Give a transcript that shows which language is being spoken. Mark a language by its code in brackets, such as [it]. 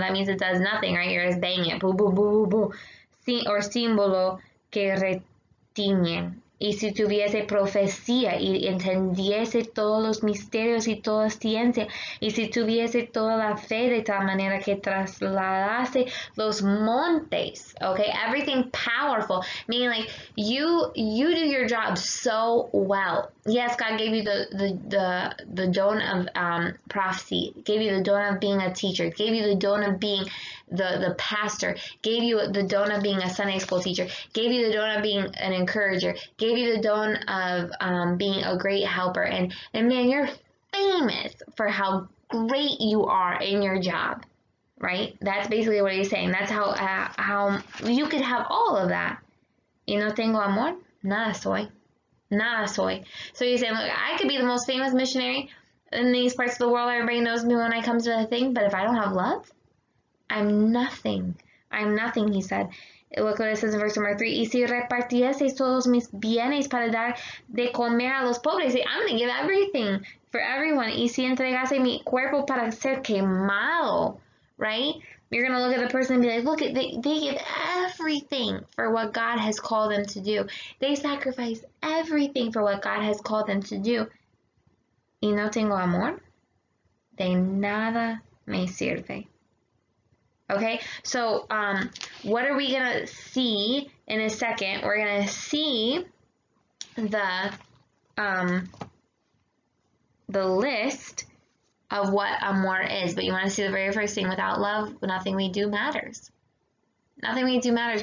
[en] That means it does nothing, right? You're just banging it. Boo, boo, boo, boo, boo. Si, or [es] símbolo que retiñe. Y si tuviese profecía y entendiese todos los misterios y toda ciencia, y si tuviese toda la fe de tal manera que trasladase los montes, okay? [en] Everything powerful, meaning like you do your job so well. Yes, God gave you the don of prophecy, gave you the don of being a teacher, gave you the don of being the pastor, gave you the don of being a Sunday school teacher, gave you the don of being an encourager, gave you the don of being a great helper, and man, you're famous for how great you are in your job, right? That's basically what he's saying. That's how you could have all of that. [es] Y no tengo amor, nada soy. Nada soy. [en] So you're saying, look, I could be the most famous missionary in these parts of the world. Everybody knows me when I come to the thing. But if I don't have love, I'm nothing. I'm nothing, he said. Look what it says in verse number 3. [es] Y si repartiese todos mis bienes para dar de comer a los pobres. [en] See, I'm going to give everything for everyone. [es] Y si entregase mi cuerpo para ser quemado. [en] Right? You're going to look at the person and be like, look, they give everything for what God has called them to do. They sacrifice everything for what God has called them to do. [es] Y no tengo amor, de nada me sirve. [en] Okay? So, what are we going to see in a second? We're going to see the list of what amor is, but you want to see the very first thing. Without love, nothing we do matters. Nothing we do matters.